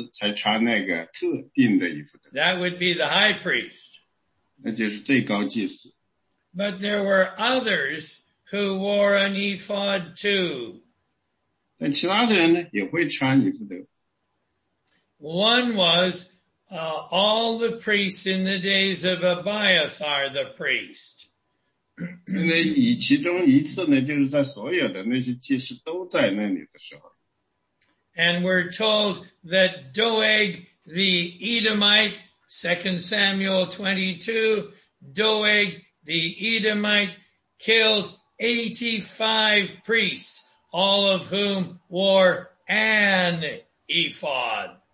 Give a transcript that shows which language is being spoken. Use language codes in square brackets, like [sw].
[zh] 你只有那些祭司才穿那个特定的衣服的。 [en] That would be the high priest. [zh] 那就是最高祭司。 [en] But there were others who wore an ephod too. [zh] 但其他的人呢，也会穿衣服的。 [en] One was all the priests in the days of Abiathar the priest. [zh] 那其中一次呢，就是在所有的那些祭司都在那里的时候。 [en] And we're told that Doeg the Edomite, 2 Samuel 22, Doeg the Edomite killed 85 priests, all of whom wore an ephod.